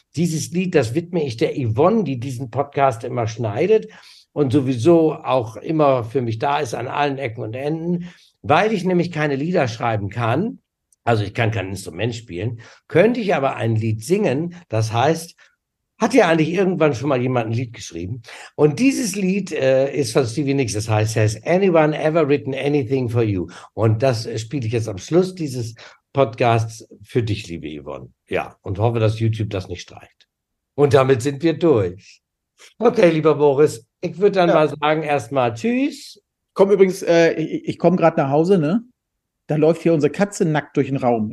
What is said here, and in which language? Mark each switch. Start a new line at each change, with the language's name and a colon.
German: Dieses Lied, das widme ich der Yvonne, die diesen Podcast immer schneidet und sowieso auch immer für mich da ist an allen Ecken und Enden, weil ich nämlich keine Lieder schreiben kann. Also ich kann kein Instrument spielen, könnte ich aber ein Lied singen. Das heißt, hat ja eigentlich irgendwann schon mal jemand ein Lied geschrieben. Und dieses Lied ist von Stevie Nicks. Das heißt,
English: Has anyone ever written anything for you?
German: Und das spiele ich jetzt am Schluss dieses Podcasts für dich, liebe Yvonne. Ja, und hoffe, dass YouTube das nicht streicht. Und damit sind wir durch. Okay, lieber Boris, ich würde dann mal sagen erstmal tschüss. Komm übrigens, ich komme gerade nach Hause, ne? Da läuft hier unsere Katze nackt durch den Raum.